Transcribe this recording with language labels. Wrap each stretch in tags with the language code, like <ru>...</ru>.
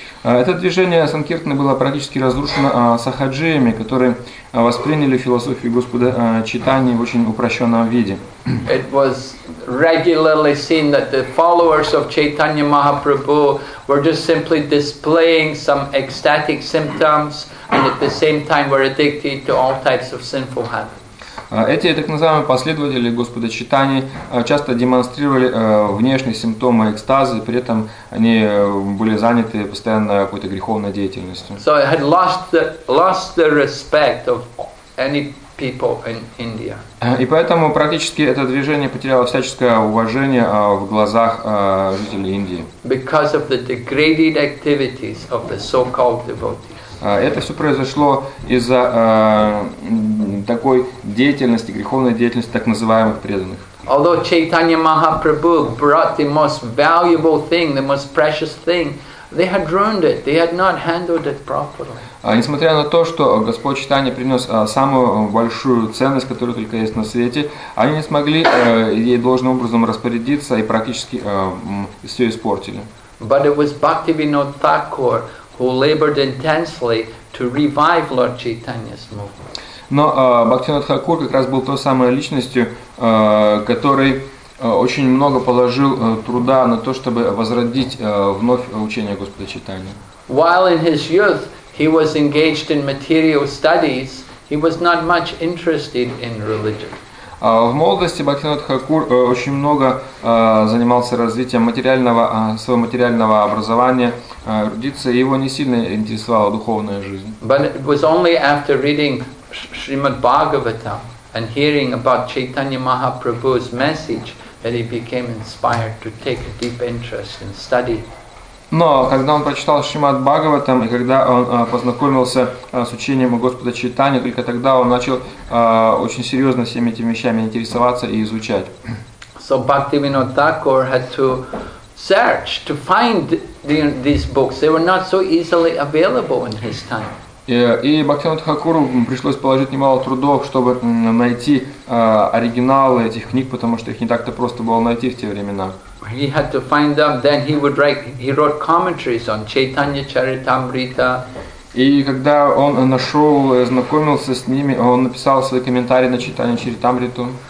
<ru>Это движение санкиртаны было практически разрушено сахаджиями, которые восприняли философию Господа Чайтаньи в очень упрощенном виде.</ru> <en>It was regularly seen that the followers of Chaitanya Mahaprabhu were just simply displaying some ecstatic symptoms and at the same time were addicted to all types of sinful habits.</en> <ru>Эти так называемые последователи Господа Чайтаньи часто демонстрировали внешние симптомы экстаза, при этом они были заняты постоянно какой-то греховной деятельностью.</ru> <en>So it had lost the respect of any people in India.</en> <ru>И поэтому практически это движение потеряло всяческое уважение в глазах жителей Индии.</ru> <en>Because of the degraded activities of the so-called devotees.</en> <ru>Это все произошло из-за такой деятельности, греховной деятельности так называемых преданных.</ru> <en>Although Chaitanya Mahaprabhu brought the most valuable thing, the most precious thing, they had ruined it. They had not handled it properly.</en> <ru>Несмотря на то, что Господь Чайтанья принес самую большую ценность, которая только есть на свете, они не смогли ей должным образом распорядиться и практически все испортили.</ru> <en>But it was Bhaktivinoda Thakur who labored intensely to revive Lord Chaitanya's movement.</en> <ru>Но Бхактивинода Хакур как раз был той самой личностью, который очень много положил труда на то, чтобы возродить вновь учение Господа Чайтаньи.</ru> <en>While in his youth he was engaged in material studies, he was not much interested in religion.</en> <ru>В молодости Бхактивинода Хакур очень много занимался развитием материального, своего материального образования, эрудиции, и его не сильно интересовала духовная жизнь.</ru> <en>But it was only after reading Srimad Bhagavatam and hearing about Chaitanya Mahaprabhu's message that he became inspired to take a deep interest in study.</en> <ru>Но когда он прочитал Шримад Бхагаватам и когда он познакомился с учением Господа Чайтаньи, только тогда он начал очень серьезно всеми этими вещами интересоваться и изучать.</ru> <en>So Bhaktivinoda Thakur had to search to find these books. They were not so easily available in his time.</en> <ru>И Бхактивинода Хакуру пришлось положить немало трудов, чтобы найти оригиналы этих книг, потому что их не так-то просто было найти в те времена.</ru> <en>He had to find them, then he would write, he wrote commentaries on Chaitanya Charitamrita.</en> <ru>И когда он нашел, знакомился с ними, он написал свои комментарии на Чайтанья Чаритамриту.</ru>